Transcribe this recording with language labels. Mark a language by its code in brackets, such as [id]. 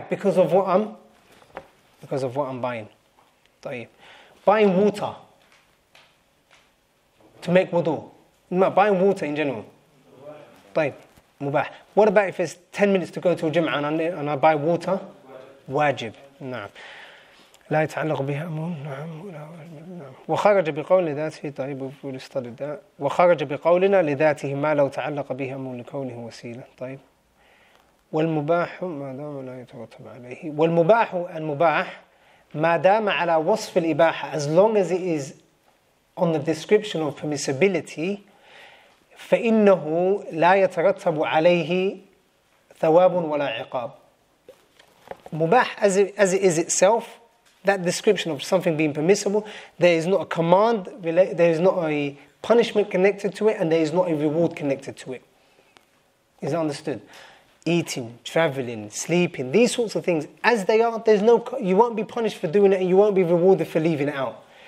[en] Because of what I'm buying. Buying water to make wudu. No, buying water in general. Mubah. What about if it's 10 minutes to go to a gym and I buy water? Wajib. [ar] نعم لا يتعلق بها نعم وخرج بقول ذاته طيب ولستدد وخرج بقولنا لذاته ما لو تعلق بها من كونه وسيلة طيب والمباح ما دام لا يترتب عليه والمباح المباح ما دام على وصف الإباحة [en] as long as it is on the description of permissibility [ar] فإنه لا يترتب عليه ثواب ولا عقاب. [en] Mubah, as it is itself, that description of something being permissible, there is not a command, there is not a punishment connected to it, and there is not a reward connected to it. Is that understood? Eating, traveling, sleeping, these sorts of things, as they are, there's no, you won't be punished for doing it, and you won't be rewarded for leaving it out.